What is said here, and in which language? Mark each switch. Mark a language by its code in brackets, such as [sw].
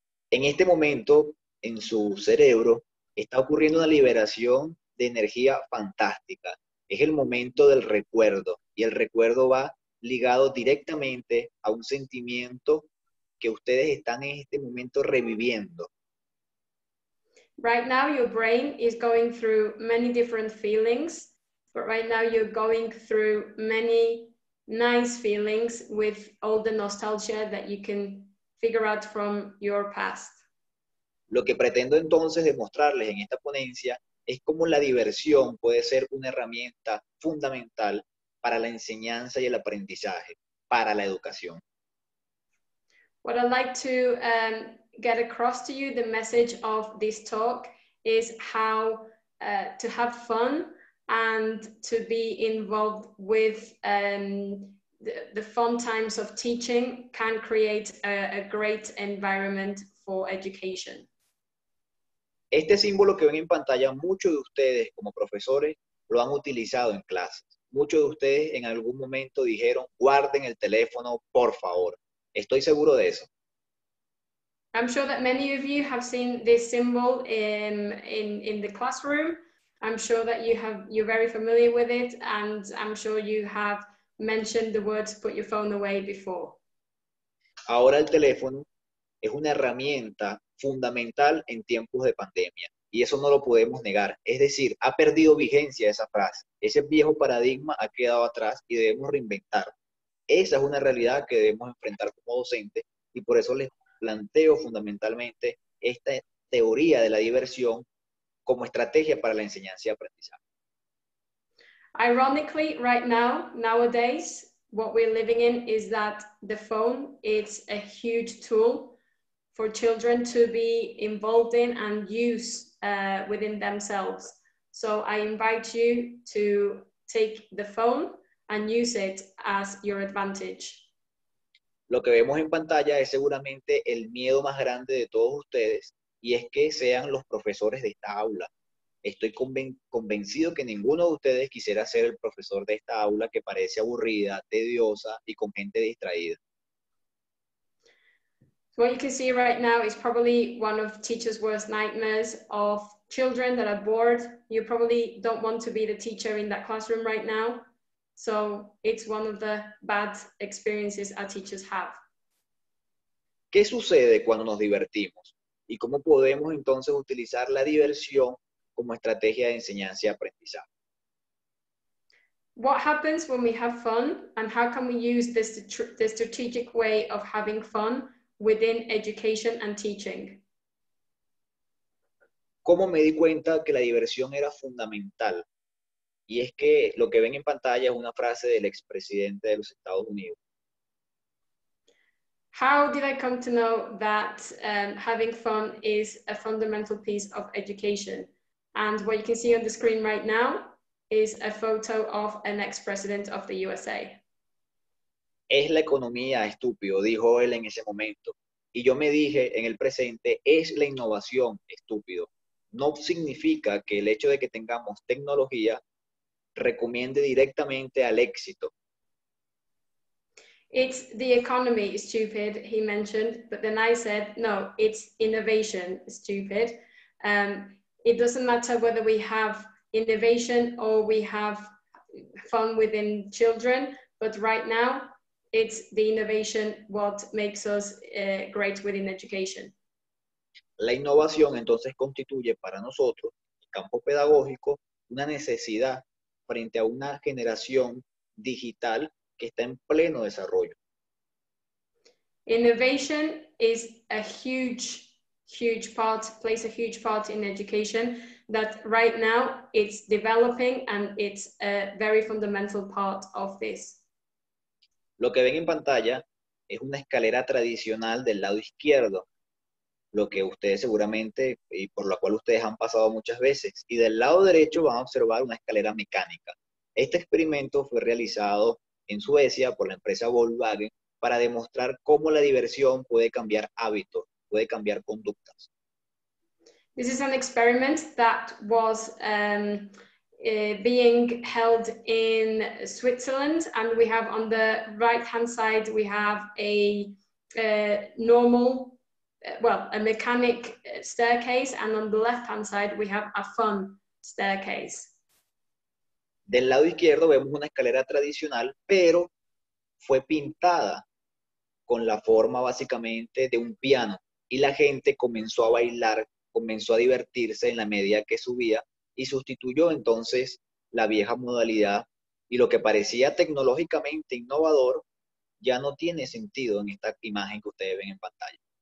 [es] En este momento, en su cerebro, está ocurriendo una liberación de energía fantástica. Es el momento del recuerdo, y el recuerdo va ligado directamente a un sentimiento que ustedes están en este momento reviviendo. [en] Right now your brain is going through many different feelings, but right now you're going through many nice feelings with all the nostalgia that you can figure out from your past. [es] Lo que pretendo entonces demostrarles en esta ponencia es cómo la diversión puede ser una herramienta fundamental para la enseñanza y el aprendizaje, para la educación. [en] What I'd like to get across to you, the message of this talk, is how to have fun and to be involved with the fun times of teaching can create a great environment for education. [es] Este símbolo que ven en pantalla, muchos de ustedes como profesores lo han utilizado en clases. Muchos de ustedes en algún momento dijeron, guarden el teléfono, por favor. Estoy seguro de eso. [en] I'm sure that many of you have seen this symbol in the classroom. I'm sure that you're very familiar with it, and I'm sure you have mentioned the words, put your phone away, before. [es] Ahora el teléfono es una herramienta fundamental en tiempos de pandemia, y eso no lo podemos negar. Es decir, ha perdido vigencia esa frase. Ese viejo paradigma ha quedado atrás y debemos reinventar. Esa es una realidad que debemos enfrentar como docente, y por eso les planteo fundamentalmente esta teoría de la diversión como estrategia para la enseñanza y aprendizaje. [en] Ironically, right now, nowadays, what we're living in is that the phone is a huge tool for children to be involved in and use within themselves. So I invite you to take the phone and use it as your advantage. [es] Lo que vemos en pantalla es seguramente el miedo más grande de todos ustedes, y es que sean los profesores de esta aula. Estoy convencido que ninguno de ustedes quisiera ser el profesor de esta aula que parece aburrida, tediosa y con gente distraída. [en] What you can see right now is probably one of teachers' worst nightmares of children that are bored. You probably don't want to be the teacher in that classroom right now. So it's one of the bad experiences our teachers have. [es] ¿Qué sucede cuando nos divertimos? ¿Y cómo podemos entonces utilizar la diversión como estrategia de enseñanza y aprendizaje? [en] What happens when we have fun, and how can we use the strategic way of having fun within education and teaching? [es] ¿Cómo me di cuenta que la diversión era fundamental? Y es que lo que ven en pantalla es una frase del expresidente de los Estados Unidos. [en] How did I come to know that having fun is a fundamental piece of education? And what you can see on the screen right now is a photo of an ex-president of the USA. [es] Es la economía, estúpido, dijo él en ese momento. Y yo me dije en el presente, es la innovación, estúpido. No significa que el hecho de que tengamos tecnología recomiende directamente al éxito. [en] It's the economy, stupid, he mentioned. But then I said, no, it's innovation, stupid. It doesn't matter whether we have innovation or we have fun within children, but right now, it's the innovation what makes us great within education. [es] La innovación entonces constituye para nosotros, el campo pedagógico, una necesidad frente a una generación digital que está en pleno desarrollo. [en] Innovation is a huge, huge part, plays a huge part in education that right now it's developing and it's a very fundamental part of this. [es] Lo que ven en pantalla es una escalera tradicional del lado izquierdo, lo que ustedes seguramente, y por la cual ustedes han pasado muchas veces, y del lado derecho van a observar una escalera mecánica. Este experimento fue realizado en Suecia por la empresa Volkswagen para demostrar cómo la diversión puede cambiar hábitos, puede cambiar conductas. [en] This is an experiment that was being held in Switzerland, and we have on the right hand side we have a mechanic staircase, and on the left hand side we have a fun staircase. [es] Del lado izquierdo vemos una escalera tradicional, pero fue pintada con la forma básicamente de un piano, y la gente comenzó a bailar, comenzó a divertirse en la medida que subía. Y sustituyó entonces la vieja modalidad, y lo que parecía tecnológicamente innovador ya no tiene sentido en esta imagen que ustedes ven en pantalla.